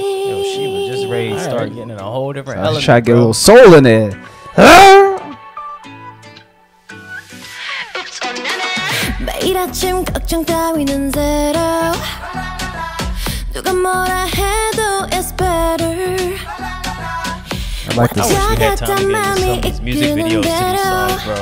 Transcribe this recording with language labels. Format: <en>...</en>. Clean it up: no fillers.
<en>Yo, she was just ready to start getting in a whole different element. Try to get a little soul in it. Huh?</en> <ko>매일 아침 걱정 따위는 zero. 누가 뭐라 해도</ko> <en>it's better. I like this. I wish we had time to get into some of these music videos to these songs, bro.</en>